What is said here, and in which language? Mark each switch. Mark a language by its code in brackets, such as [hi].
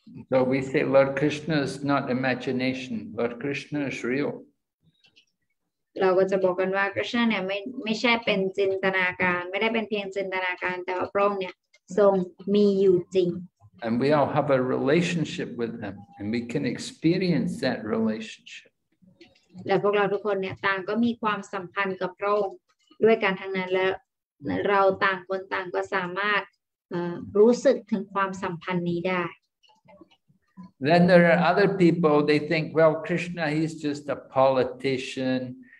[en] So we say Lord Krishna is not imagination. Lord Krishna is real. [th] เราก็จะบอกกันว่าคริชนาเนี่ยไม่ใช่เป็นจินตนาการไม่ได้เป็นเพียงจินตนาการแต่ว่าพระองค์เนี่ยทรงมีอยู่จริง [en] And we all have a relationship with him, and we can experience that relationship. [th] และพวกเราทุกคนเนี่ยต่างก็มีความสัมพันธ์กับพระองค์ด้วยกันทั้งนั้นและเราต่างคนต่างก็สามารถรู้สึกถึงความสัมพันธ์นี้ได้ [en] Then there are other people, they think, well, Krishna, he's just a politician.